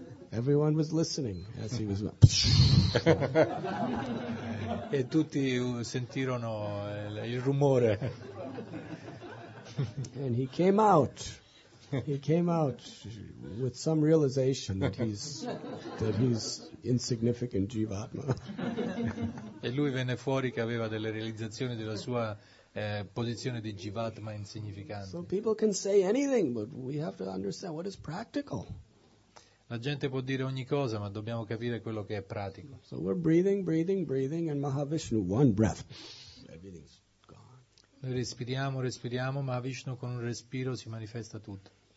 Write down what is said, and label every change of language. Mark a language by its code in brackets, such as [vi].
[en] Everyone was listening as he was. [it] E tutti sentirono il rumore. [en] And he came out. He came out with some realization that he's insignificant jivatma. [it] E lui venne fuori che aveva delle realizzazioni della sua posizione di jivatma insignificante. [en] So people can say anything, but we have to understand what is practical. [it] La gente può dire ogni cosa, ma dobbiamo capire quello che è pratico. [en] So we're breathing, and Mahavishnu, one breath, everything's gone. [it] Noi respiriamo, Mahavishnu con un respiro si manifesta tutto.